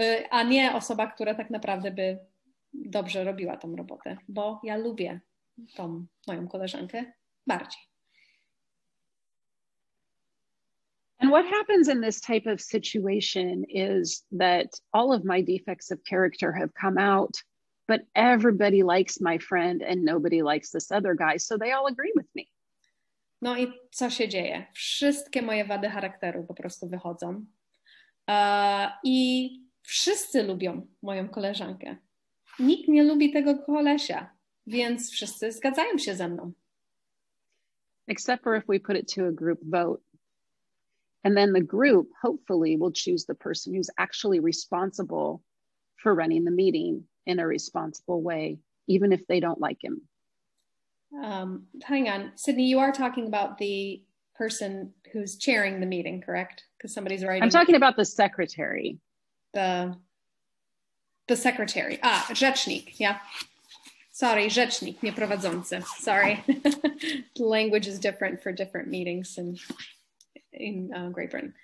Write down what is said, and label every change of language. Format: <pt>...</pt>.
<pl>A nie osoba, która tak naprawdę by dobrze robiła tą robotę, bo ja lubię tą moją koleżankę bardziej.</pl> <en>And what happens in this type of situation is that all of my defects of character have come out, but everybody likes my friend and nobody likes this other guy, so they all agree with me.</en> <pl>No i co się dzieje? Wszystkie moje wady charakteru po prostu wychodzą. I wszyscy lubią moją koleżankę. Nikt nie lubi tego kolesia, więc wszyscy zgadzają się ze mną.</pl> <en>Except for if we put it to a group vote. And then the group hopefully will choose the person who's actually responsible for running the meeting in a responsible way, even if they don't like him. Hang on, Sydney, you are talking about the person who's chairing the meeting, correct? Because somebody's writing. I'm talking about the secretary. The secretary. Ah, rzecznik, yeah.</en> <pl>Sorry, rzecznik, nie prowadzący.</pl> <en>Sorry. Language is different for different meetings in Great Britain.</en>